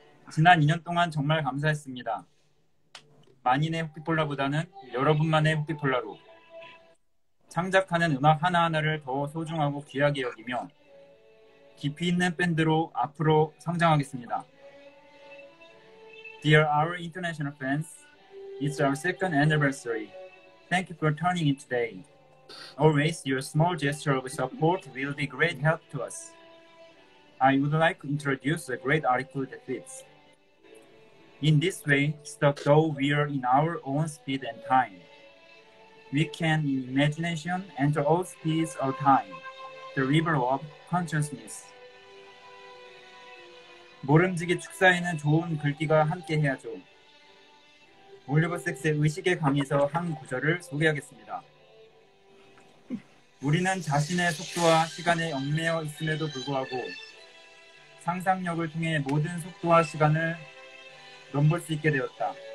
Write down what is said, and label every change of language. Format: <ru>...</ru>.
<ko>지난 2년 동안 정말 감사했습니다. 만인의 호피폴라보다는 여러분만의 호피폴라로 창작하는 음악 하나하나를 더 소중하고 귀하게 여기며 깊이 있는 밴드로 앞으로 성장하겠습니다.</ko> <en>Dear our international fans, it's our second anniversary. Thank you for turning in today. Always, your small gesture of support will be great help to us. I would like to introduce a great article that fits. In this way, stuck though we are in our own speed and time, we can in imagination enter all speeds of time, the river of consciousness.</en> <ko>모름지기 축사에는 좋은 글귀가 함께 해야죠. 올리버섹스의 의식에 강해서 한 구절을 소개하겠습니다. 우리는 자신의 속도와 시간에 얽매여 있음에도 불구하고 상상력을 통해 모든 속도와 시간을 넘볼 수 있게 되었다.</ko>